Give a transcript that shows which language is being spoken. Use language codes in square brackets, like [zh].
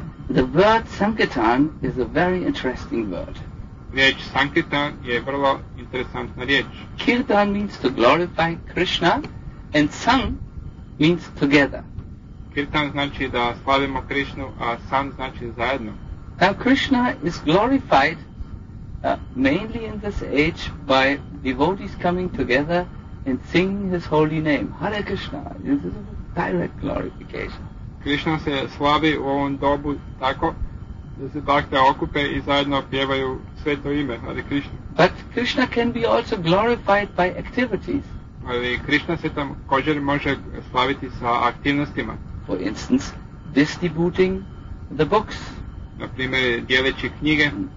[en] The word Sankirtan is a very interesting word. [hr] Riječ Sankirtan je vrlo interesantna riječ. [en] Kirtan means to glorify Krishna and Sang means together. [hr] Kirtan znači da slavimo Krishnu, a Sang znači zajedno. [en] Now Krishna is glorified mainly in this age by devotees coming together and singing his holy name. Hare Krishna. This is a direct glorification. [hr] Krishna se slavi u ovom dobu tako da se bhakte okupe i zajedno pjevaju sveto ime Hare Krishna. [en] But Krishna can be also glorified by activities. [hr] Ali Krishna se tam također može slaviti sa aktivnostima. [en] For instance, distributing the books. [hr] Na primjer, dijeleći knjige.